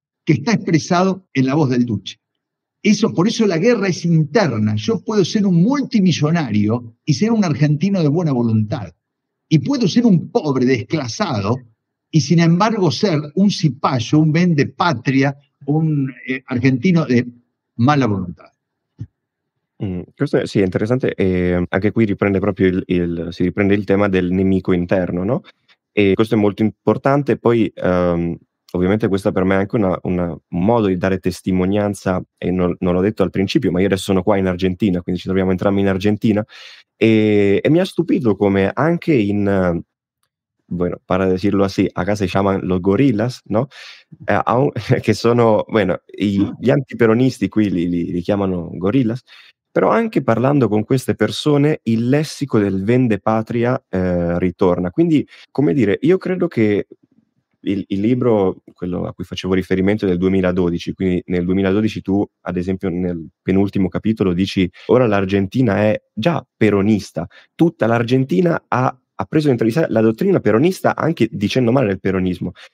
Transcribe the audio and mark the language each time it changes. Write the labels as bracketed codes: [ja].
[es] que está expresado en la voz del Duce. Eso, por eso la guerra es interna. Yo puedo ser un multimillonario y ser un argentino de buena voluntad. Y puedo ser un pobre desclasado y sin embargo ser un cipayo, un vende patria, un argentino de mala voluntad. [it] Questo è sì, interessante, anche qui riprende proprio il tema del nemico interno, no? E questo è molto importante, poi ovviamente questa per me è anche un modo di dare testimonianza, e non l'ho detto al principio, ma io adesso sono qua in Argentina, quindi ci troviamo entrambi in Argentina, e mi ha stupito come anche in... [es] Bueno, para decirlo así, acá se llaman los gorilas, ¿no? [it] Che sono, [es] bueno, [it] gli antiperonisti qui li chiamano gorilas, però anche parlando con queste persone il lessico del vende patria ritorna. Quindi, come dire, io credo che il libro, quello a cui facevo riferimento del 2012, quindi nel 2012 tu, ad esempio, nel penultimo capitolo dici ora l'Argentina è già peronista, tutta l'Argentina ha preso dentro di sé la dottrina peronista anche dicendo male del peronismo.